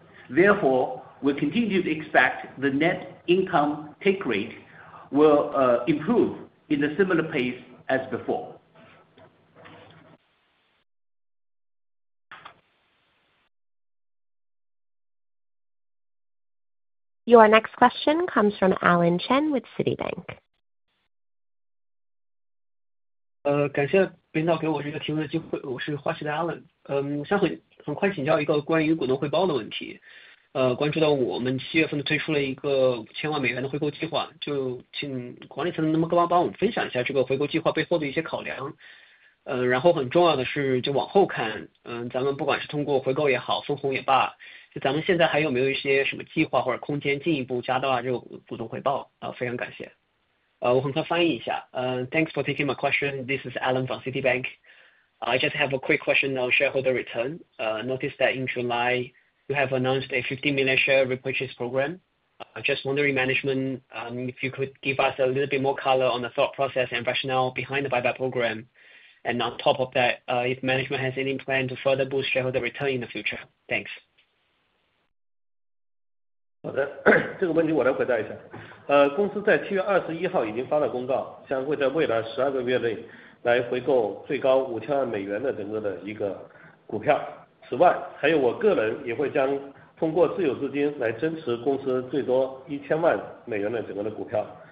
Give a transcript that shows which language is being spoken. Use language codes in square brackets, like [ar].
[en] Therefore, we continue to expect the net income take rate will improve in a similar pace as before. Your next question comes from Alan Chen with Citibank. [zh] 感谢领导给我这个提问的机会，我是花旗的 Alan。想很快请教一个关于股东回报的问题。关注到我们七月份推出了一个5000万美元的回购计划，就请管理层能不能够帮我们分享一下这个回购计划背后的一些考量。然后很重要的是，就往后看，咱们不管是通过回购也好，分红也罢，就咱们现在还有没有一些什么计划或者空间进一步加大这个股东回报？非常感谢。我很快翻译一下。 [en] Thanks for taking my question. This is Alan from Citibank. I just have a quick question on shareholder return. Notice that in July, you have announced a 50 million share repurchase program. Just wondering, management, if you could give us a little bit more color on the thought process and rationale behind the buyback program. And on top of that, if management has any plan to further boost shareholder return in the future. Thanks. [zh] 好的，这个问题我来回答一下。公司在7月21号已经发了公告，将会在未来12个月内来回购最高5000万美元的整个的一个股票。此外，还有我个人也会将通过自有资金来增持公司最多1000万美元的整个的股票。